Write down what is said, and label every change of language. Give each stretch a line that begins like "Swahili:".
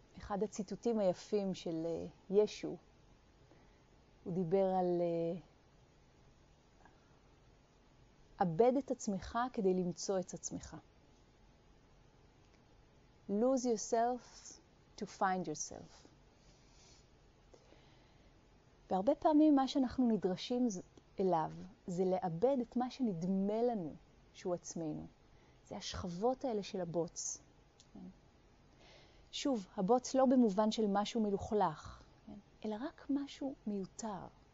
Hebrew: אחד הציטוטים היפים של ישו. הוא דיבר על אבד את עצמך כדי למצוא את עצמך.
English: Lose yourself to find yourself.
Hebrew: והרבה פעמים מה שאנחנו נדרשים אליו זה לאבד את מה שנדמה לנו שהוא עצמנו. זה השכבות האלה של הבוץ. שוב, הבוץ לא במובן של משהו מלוכלך, אלא רק משהו מיותר.